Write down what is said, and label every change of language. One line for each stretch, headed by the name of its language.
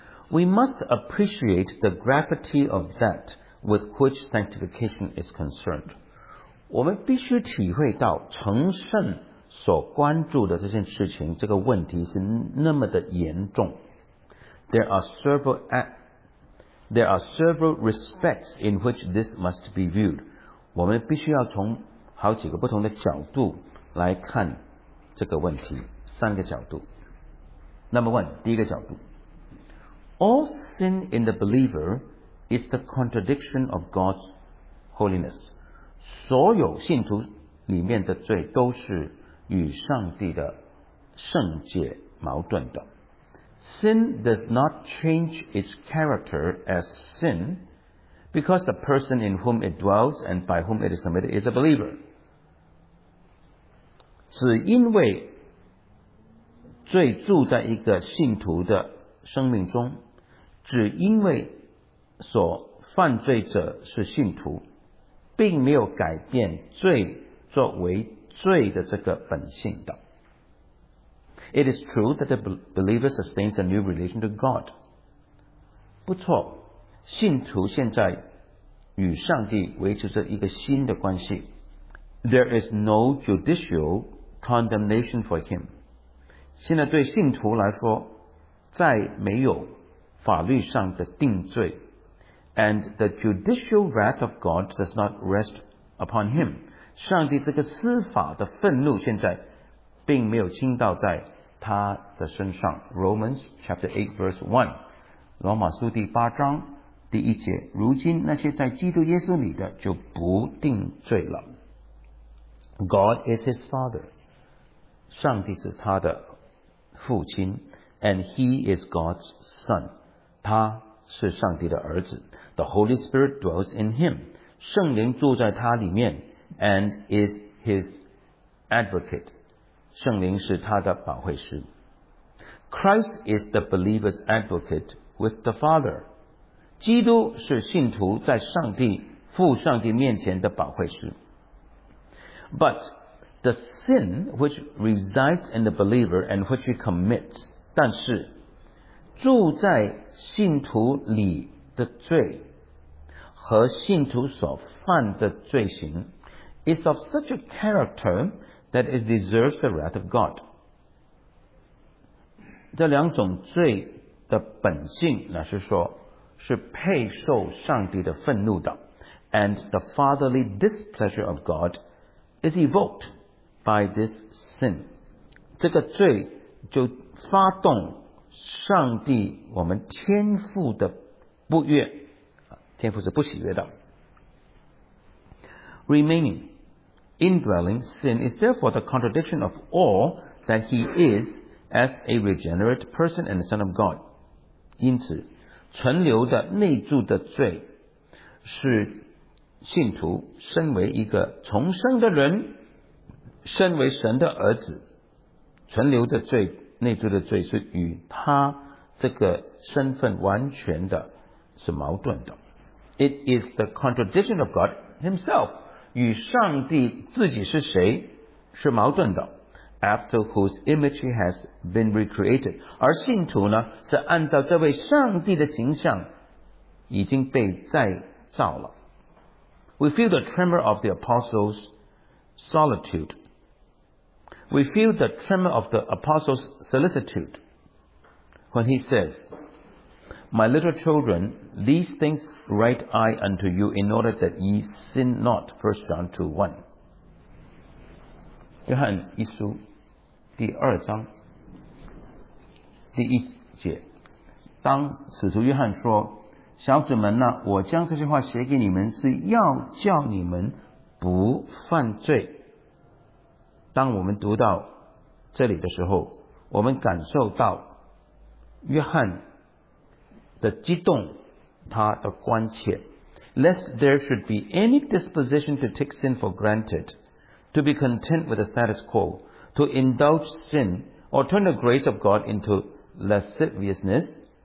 English: We must appreciate the gravity of that with which sanctification is concerned
Chinese: 我们必须体会到成圣所关注的这件事情这个问题是那么的严重
English: There are several respects in which this must be viewed
Chinese: 我们必须要从好几个不同的角度来看这个问题三个角度
English: Number one
Chinese: 第一个角度
English: All sin in the believer is the contradiction of God's holiness
Chinese: 所有信徒里面的罪都是与上帝的圣洁矛盾的。
English: Sin does not change its character as sin because the person in whom it dwells and by whom it is committed is a believer.
Chinese: 只因为罪住在一个信徒的生命中，只因为所犯罪者是信徒，并没有改变罪作为罪的这个本性的
English: It is true that the believer sustains a new relation to God
Chinese: 不错信徒现在与上帝维持着一个新的关系
English: There is no judicial condemnation for him
Chinese: 现在对信徒来说再没有法律上的定罪
English: And the judicial wrath of God does not rest upon him.
Chinese: 上帝这个司法的愤怒现在并没有倾倒在他的身上。
English: Romans chapter 8 verse 1,
Chinese: 罗马书第八章第一节，如今那些在基督耶稣里的就不定罪了。
English: God is his father,
Chinese: 上帝是他的父亲。
English: And he is God's son,
Chinese: 他是上帝的儿子。
English: The Holy Spirit dwells in him,
Chinese: 圣灵住在他里面。
English: And is his advocate,
Chinese: 圣灵是他的保惠师。
English: Christ is the believer's advocate with the Father.
Chinese: 基督是信徒在上帝父上帝面前的保惠师。
English: But the sin which resides in the believer and which he commits,
Chinese: 但是住在信徒里的罪和信徒所犯的罪行
English: is of such a character that it deserves the wrath of God.
Chinese: 这两种罪的本性乃是说是配受上帝的愤怒的。
English: And the fatherly displeasure of God is evoked by this sin.
Chinese: 这个罪就发动上帝我们天父的不悦，天父是不喜悦的。
English: Remaining indwelling sin is therefore the contradiction of all that he is as a regenerate person and the Son of God.
Chinese: 因此存留的内住的罪是信徒身为一个重生的人，身为神的儿子，存留的罪内住的罪是与他这个身份完全的是矛盾的。
English: It is the contradiction of God himself.
Chinese: 与上帝自己是谁是矛盾的。
English: After whose image has been recreated,
Chinese: 而信徒呢是按照这位上帝的形象已经被再造了。
English: We feel the tremor of the apostle's solitude. We feel the tremor of the apostle's solicitude when he says, My little children,These things write I unto you in order that ye sin not. 1 John 2:1.
Chinese: 约翰一书第二章第一节，当使徒约翰说，小子们呢，我将这些话写给你们是要叫你们不犯罪。当我们读到这里的时候，我们感受到约翰的激动，他的关切，
English: lest there should be any disposition to take sin for granted, to be content with the status quo, to indulge sin, or turn the grace of God into lasciviousness.